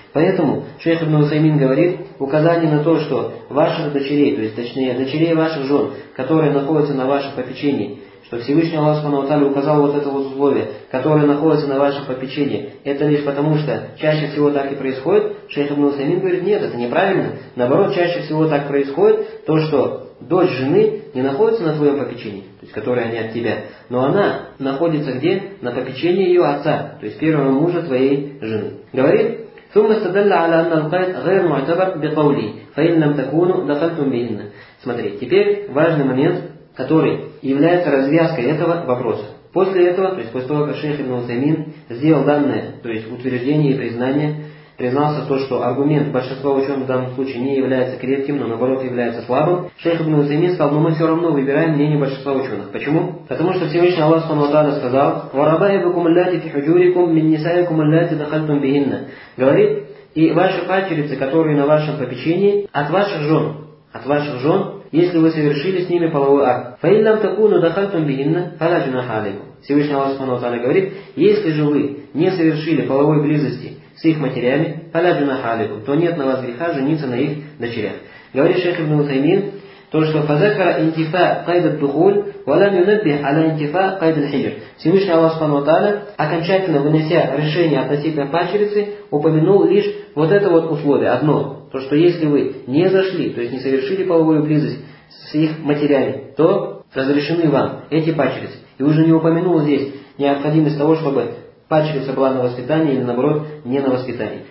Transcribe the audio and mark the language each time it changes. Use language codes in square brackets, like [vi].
[ru] Поэтому шейх ибн Усаймин говорит, указание на то, что ваших дочерей, то есть точнее дочерей ваших жен, которые находятся на вашем попечении, что Всевышний Аллах Субхану Тааля указал вот это вот условие, которое находится на вашем попечении, это лишь потому, что чаще всего так и происходит, шейх ибн Усаймин говорит, нет, это неправильно. Наоборот, чаще всего так происходит, то, что дочь жены не находится на твоем попечении, то есть которая не от тебя, но она находится где? На попечении ее отца, то есть первого мужа твоей жены. Говорит, [ar] ثم استدل على أن القيد غير معتبر بقوله فإن لم تكونوا دخلتم بهن. [ru] Смотри, теперь важный момент, который является развязкой этого вопроса. После этого, то есть после того, как шейх ибн Усаймин сделал данное, то есть утверждение и признание, признался то, что аргумент большинства ученых в данном случае не является крепким, но наоборот является слабым, шейх ибн Усаймин сказал, но мы все равно выбираем мнение большинства ученых. Почему? Потому что Всевышний Аллах Субхану ва Тааля сказал, [ar] وَرَبَائِبُكُمُ اللَّاتِ فِي حُجُورِكُمْ مِنْ نِسَائِكُمُ اللَّاتِ دَخَلْتُمْ بِهِنَّ. [ru] Говорит, и ваши пачерицы, которые на вашем попечении, от ваших жен, если вы совершили с ними половой акт. [ar] فَإِنْ لَمْ تَكُونُوا دَخَلْتُمْ بِهِنَّ فَلَا جُنَاحَ عَلَيْكُمْ. [ru] Всевышний Аллах Субхану ва Тааля говорит, если же вы не совершили половой близости с их матерями, [ar] فَلَا جُنَاحَ عَلَيْكُمْ, [ru] то нет на вас греха жениться на их дочерях. Говорит шейх ибн Усаймин, то, что [ar] فَذَكَرَ انْتِفَاءَ قَيْدَ الدُّخُولِ وَلَمْ يُنَبِّهْ عَلَى انْتِفَاءَ قَيْدَ الْحِجْرِ. [ru] Всевышний Аллах Субхану ва Тааля, окончательно вынося решение относительно пачерицы, упомянул лишь вот это вот условие, одно. То, что если вы не зашли, то есть не совершили половую близость с их матерями, то разрешены вам эти пачерицы. И уже не упомянул здесь необходимость того, чтобы пачерица была на воспитании или наоборот не на воспитании.